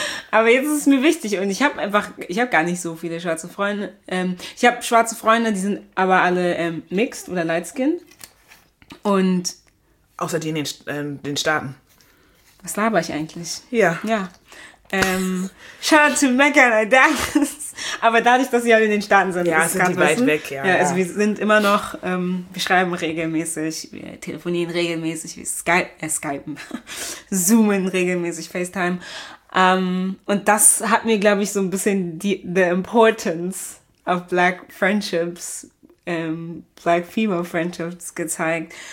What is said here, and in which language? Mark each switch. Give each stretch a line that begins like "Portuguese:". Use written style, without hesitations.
German: Aber jetzt ist es mir wichtig und ich habe gar nicht so viele schwarze Freunde. Ich habe schwarze Freunde, die sind aber alle mixed oder light skin. Und außer die in den Staaten. Was laber ich eigentlich? Ja. Ja.
English: Shout out to Mecca, I guess.
German: Aber dadurch, dass sie halt in den Staaten sind, ja, sind die weit weg. Ja, also wir sind immer noch, wir schreiben regelmäßig, wir telefonieren regelmäßig, wir skypen, zoomen regelmäßig, FaceTime. Und das hat mir, glaube ich, so ein bisschen
English: the importance of black friendships, black female friendships
German: gezeigt.